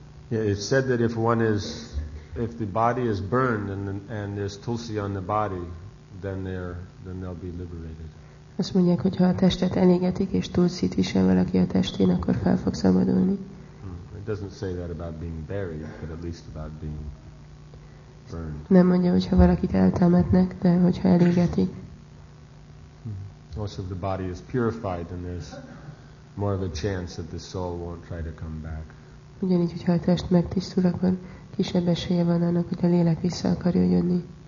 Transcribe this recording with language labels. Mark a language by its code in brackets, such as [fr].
[en] Yeah, it's said that if the body is burned and there's tulsi on the body, then they'll be liberated. [hu] Azt mondják, hogy ha a testet elégetik és tulsit visel valaki a testén, akkor fel fog szabadulni. [en] It doesn't say that about being buried, but at least about being burned. [hu] Nem mondja, hogy ha valakit eltemetnek, de hogyha elégetik. [en] Also, if the body is purified, then there's more of a chance that the soul won't try to come back. [hu] Ugyanígy, hogyha a test megtisztul, akkor kisebb esélye van annak, hogy a lélek vissza akarjon jönni.